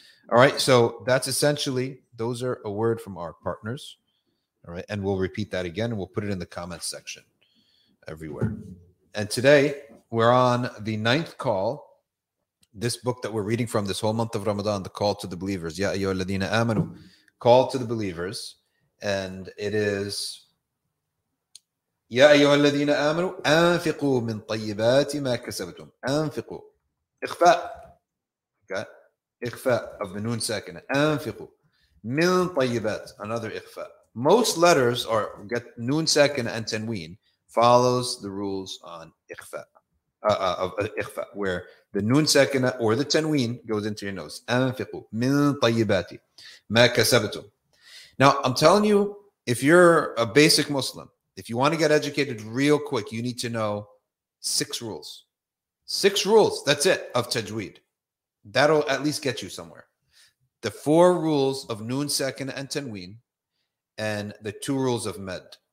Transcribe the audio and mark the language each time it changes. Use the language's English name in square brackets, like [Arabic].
[English] All right, so that's essentially, those are a word from our partners. All right, and we'll repeat that again and we'll put it in the comments section everywhere. And today we're on the ninth call, this book that we're reading from this whole month of Ramadan, The Call to the Believers. [Arabic] Ya ayyuha alladhina amanu, [English] Call to the Believers. And it is [Arabic] يا أيها الذين آمنوا أنفقوا من طيبات ما كسبتم أنفقوا إخفاء إخفاء [English] of the noon second [Arabic] أنفقوا من طيبات another إخفاء. [English] Most letters are get noon second and tanween follows the rules on إخفاء of إخفاء where the noon second or the tanween goes into your nose. [Arabic] أنفقوا من طيبات ما كسبتم. [English] Now I'm telling you, if you're a basic Muslim, if you want to get educated real quick, you need to know six rules. Six rules, that's it, of tajweed. That'll at least get you somewhere. The four rules of noon, second, and tanween, and the two rules of med.